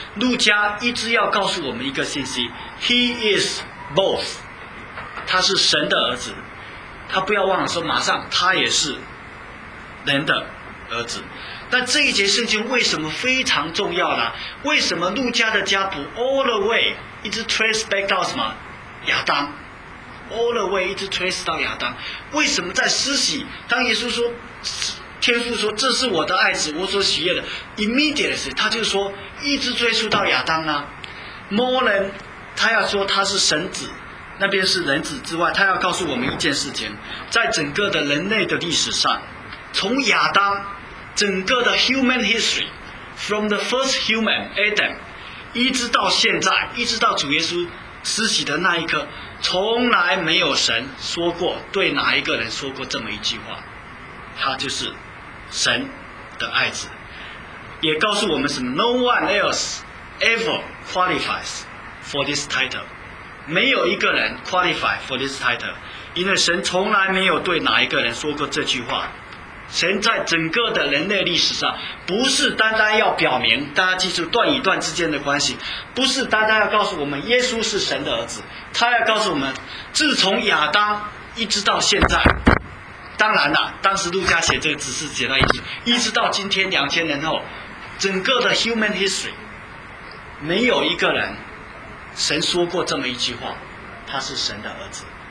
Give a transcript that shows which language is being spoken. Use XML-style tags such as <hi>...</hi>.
<zh>路加一直要告诉我们一个信息，</zh> <en>He is both，</en> <zh>他是神的儿子，他不要忘了说，马上他也是人的儿子。但这一节圣经为什么非常重要呢？为什么路加的家谱</zh> <en>all the way</en> <zh>一直</zh> <en>trace back</en> <zh>到什么？亚当，</zh> <en>all the way</en> <zh>一直</zh> <en>trace</en> <zh>到亚当。为什么在施洗，当耶稣说，天父说这是我的爱子，我所喜悦的， immediately 他就说一直追溯到亚当呢？</zh> <en>More than</en> <zh>他要说他是神子，那边是人子之外，他要告诉我们一件事情，在整个的人类的历史上，从亚当，整个的</zh> <en>human history from the first human Adam</en> <zh>一直到现在，一直到主耶稣施洗的那一刻，从来没有神说过，对哪一个人说过这么一句话，他就是神的爱子。也告诉我们什么？</zh> <en>No one else ever qualifies for this title，</en> <zh>没有一个人</zh> <en>qualify for this title， 因为神从来没有对哪一个人说过这句话。</en> <zh>神在整个的人类历史上，不是单单要表明，大家记住段与段之间的关系，不是单单要告诉我们耶稣是神的儿子，他要告诉我们，自从亚当一直到现在，当然了，当时路加写这个只是写到一句，一直到今天2000年后，整个的</zh> <en>human history，</en> <zh>没有一个人神说过这么一句话，他是神的儿子。</zh>